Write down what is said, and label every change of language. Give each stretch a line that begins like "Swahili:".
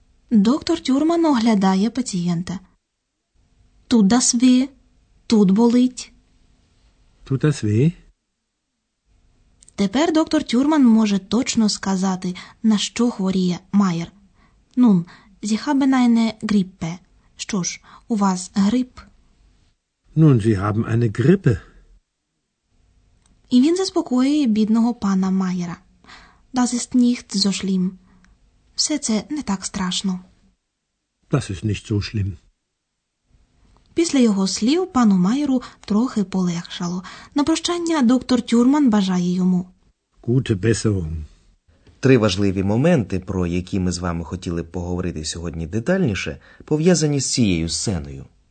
Ukrainian: Доктор Тюрман оглядає пацієнта. Тут
German: das weh,
Ukrainian: тут болить. Тут
German: das weh?
Ukrainian: Тепер доктор Тюрман може точно сказати, на що хворіє Майер.
German: Nun, Sie haben eine Grippe.
Ukrainian: Що ж, у вас грип?
German: Nun, Sie haben eine Grippe.
Ukrainian: І він заспокоює бідного пана Майера.
German: Das ist nicht so schlimm.
Ukrainian: Все це не так страшно.
German: Das ist nicht so schlimm.
Ukrainian: Після його слів пану Майеру трохи полегшало. На прощання доктор Тюрман бажає йому.
German: Gute Besserung.
Ukrainian: Три важливі моменти, про які ми з вами хотіли поговорити сьогодні детальніше, пов'язані з цією сценою.